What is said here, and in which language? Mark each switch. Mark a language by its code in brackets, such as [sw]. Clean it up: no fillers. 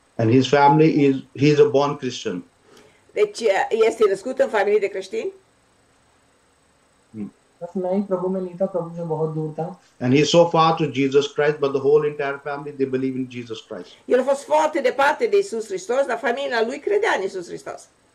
[en] And his family is he is a born Christian. [ro] Deci este născut în familie de creștini. [hi] Bas मैं प्रभु में नहीं था, प्रभु से बहुत दूर था. [en] And he is so far to Jesus Christ, but the whole entire family they believe in Jesus Christ. [ro] El a fost foarte departe de Iisus Hristos, dar familia lui credea în Iisus Hristos.